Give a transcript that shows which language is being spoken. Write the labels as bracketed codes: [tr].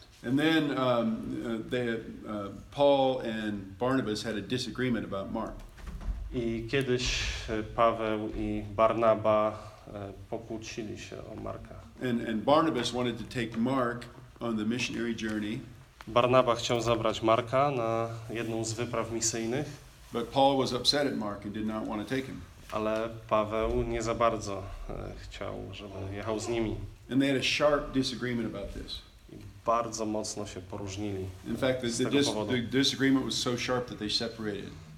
[en] And then Paul and Barnabas had a disagreement about Mark. [pl] I kiedyś Paweł i Barnaba pokłócili się o Marka. [en] And Barnabas wanted to take Mark on the missionary journey. [pl] Barnaba chciał zabrać Marka na jedną z wypraw misyjnych. [en] But Paul was upset at Mark and did not want to take him. [pl] Ale Paweł nie za bardzo chciał, żeby jechał z nimi. [en] And they had a sharp disagreement about this. [pl] I bardzo mocno się poróżnili. [en] In fact, the disagreement was so sharp that they separated.